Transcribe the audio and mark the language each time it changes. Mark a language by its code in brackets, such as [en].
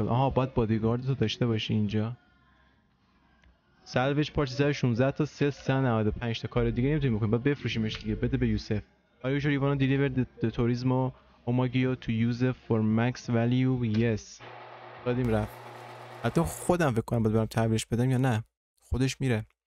[fa] آها باید bodyguards رو داشته باشی اینجا. سلویج پارچه 16 تا سل 395 تا. کار دیگه نمیتونی میکنی، باید بفروشیمش دیگه. بده به یوسف. [en] Are you sure you want to deliver the tourismo omagio to Yusuf for max value? [fa] Yes. دادیم رفت. حتی خودم فکر کنم باید برم تحویلش بدم یا نه خودش میره.